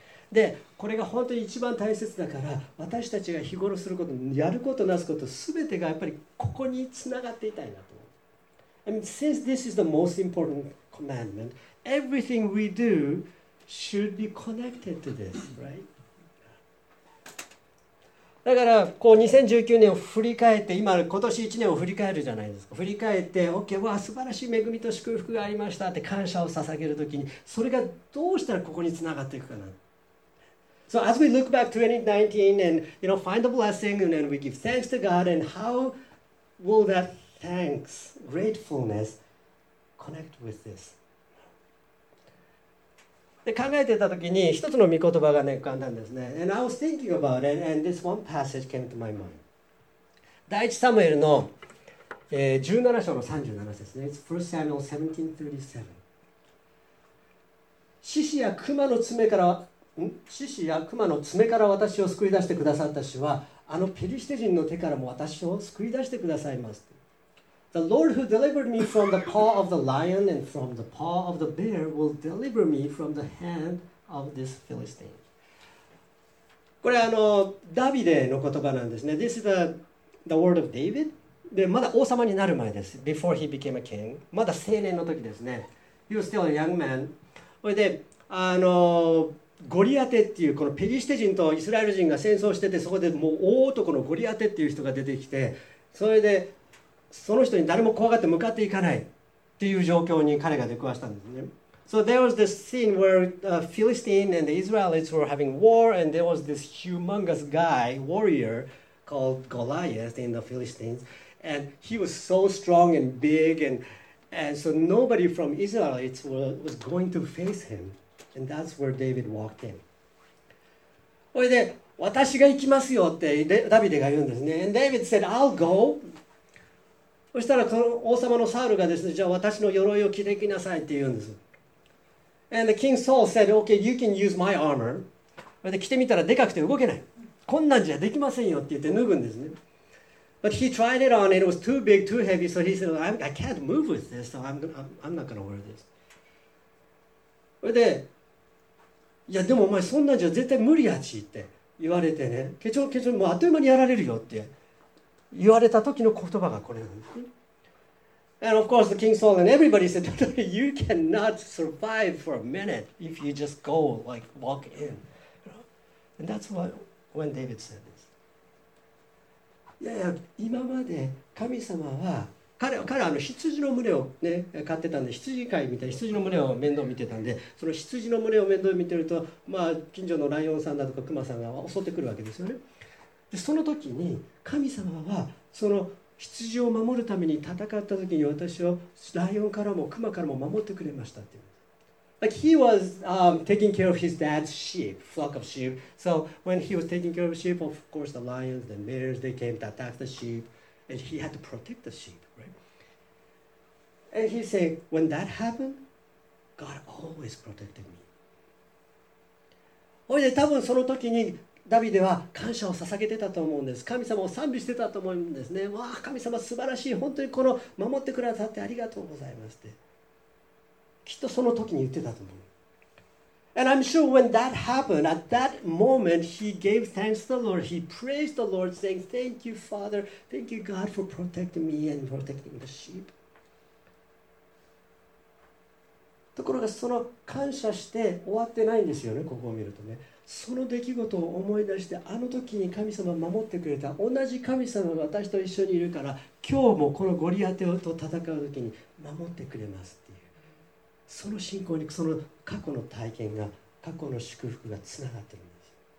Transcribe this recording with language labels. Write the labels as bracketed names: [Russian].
[Japanese] で、これが本当に一番大切だから、私たちが日頃すること、やること、なすこと、すべてがやっぱりここにつながっていたいなと思う。 [English] I mean, since this is the most important commandment, everything we do should be connected to this, right? [Japanese] だからこう2019年を振り返って、今今年1年を振り返るじゃないですか。振り返って OK、 わあ素晴らしい恵みと祝福がありましたって感謝を捧げるときに、それがどうしたらここにつながっていくかな。 [English] So as we look back 2019 and you know find the blessing and then we give thanks to God and how will that thanks gratefulness connect with this? [Japanese] で考えてた時に一つの御言葉がね浮かんだんですね。 [English] And I was thinking about it, and this one passage came to my mind. [Japanese] 第1サムエルの、17章の37節です [English] ね。It's 1 Samuel 17:37. [Japanese] 獅子や熊の爪から、獅子や熊の爪から私を救い出してくださった主は、あのペリシテ人の手からも私を救い出してくださいます。 [English] The Lord who delivered me from the paw of the lion and from the paw of the bear will deliver me from the hand of this Philistine. [Japanese] これはダビデの言葉なんですね。 [English] This is the word of David. [Japanese] で、まだ王様になる前です。 [English] Before he became a king. [Japanese] まだ青年の時ですね。 [English] He was still a young man. [Japanese] それで、ゴリアテっていうこのペリシテ人とイスラエル人が戦争してて、そこでもう大男のゴリアテっていう人が出てきて、それで、その人に誰も怖がって向かっていかない。ていう状況に彼が出くわしたんですね。 [English] So there was this scene where Philistine and the Israelites were having war, and there was this humongous guy, warrior, called Goliath in the Philistines, and he was so strong and big, and so nobody from Israelites was going to face him, and that's where David walked in. [Japanese] それで私が行きますよってダビデが言うんですね。 [English] And David said, I'll go. [Japanese] そしたらこの王様のサウルがですね、じゃあ私の鎧を着てきなさいって言うんです。 [English] And the king Saul said, okay, you can use my armor. [Japanese] で着てみたらでかくて動けない。こんなんじゃできませんよって言って脱ぐんですね。 [English] But he tried it on and it was too big, too heavy, so he said, I can't move with this, so I'm not going to wear this. [Japanese] それで、いやでもお前そんなんじゃ絶対無理やちって言われてね、ケチョケチョもうあっという間にやられるよって。言われた時の言葉がこれなんですね。 [English] And of course the King Saul and everybody said, you cannot survive for a minute if you just go like walk in. And that's what, when David said this. [Japanese] いやいや、今まで神様は、彼は羊の群れを、ね、飼ってたんで、羊飼いみたいな羊の群れを面倒見てたんで、その羊の群れを面倒見てると、まあ近所のライオンさんだとかクマさんが襲ってくるわけですよね。でその時に神様はその羊を守るために戦った時に私をライオンからもクマからも守ってくれましたっていう。 [English] Like he was taking care of his dad's sheep, flock of sheep. So when he was taking care of sheep, of course the lions, the bears, they came to attack the sheep, and he had to protect the sheep, right? And he said, when that happened, God always protected me. [Japanese] おいで多分その時に。ダビデは感謝を捧げてたと思うんです。神様を賛美してたと思うんですね。わあ、神様素晴らしい。本当にこの守ってくださってありがとうございますって。きっとその時に言ってたと思う。 [English] And I'm sure when that happened, at that moment, he gave thanks to the Lord. He praised the Lord, saying, Thank you, Father. Thank you, God, for protecting me and protecting the sheep. [Japanese] ところが、その感謝して終わってないんですよね、ここを見るとね。その出来事を思い出してあの時に神様守ってくれた同じ神様が私と一緒にいるから今日もこのゴリアテと戦う時に守ってくれますっていうその信仰にその過去の体験が過去の祝福がつながってるんです。